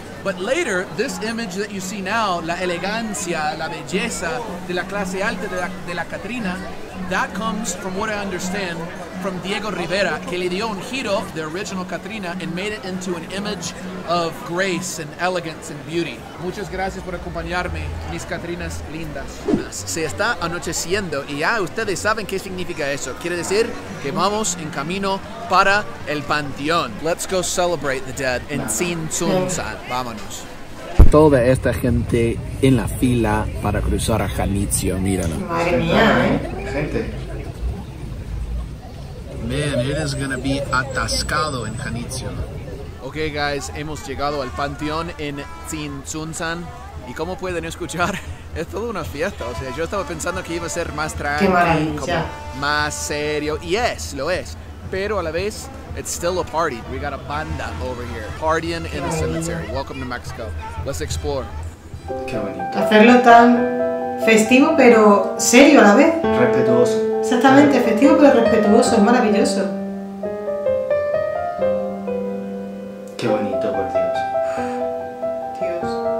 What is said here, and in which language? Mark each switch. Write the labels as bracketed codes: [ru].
[en] But later, this image that you see now, [es] la elegancia, la belleza de la clase alta de la Catrina, [en] that comes, from what I understand, from Diego Rivera, [es] que le dio un giro, [en] the original Katrina, and made it into an image of grace and elegance and beauty. [es] Muchas gracias por acompañarme, mis Katrinas lindas. Se está anocheciendo y ya ustedes saben qué significa eso. Quiere decir que vamos en camino para el panteón. [en] Let's go celebrate the dead in Tsin Tsun San. Vámonos. [es] Toda esta gente en la fila para cruzar a Janitzio, míralo. Madre mía, gente. [en] Man, it is gonna be atascado en Janitzio. [es] Okay, guys, hemos llegado al panteón en Tsin Tsun San. Y como pueden escuchar, es toda una fiesta. O sea, yo estaba pensando que iba a ser más tranquilo, más serio. Y es, lo es. Pero a la vez, [en] it's still a party. We got a banda over here, partying in the cemetery. Welcome to Mexico. Let's explore. [es] Qué bonito. Hacerlo tan festivo, pero serio a la vez. Respetuoso. Exactamente, festivo, pero respetuoso. Es maravilloso. Qué bonito, por Dios. Dios.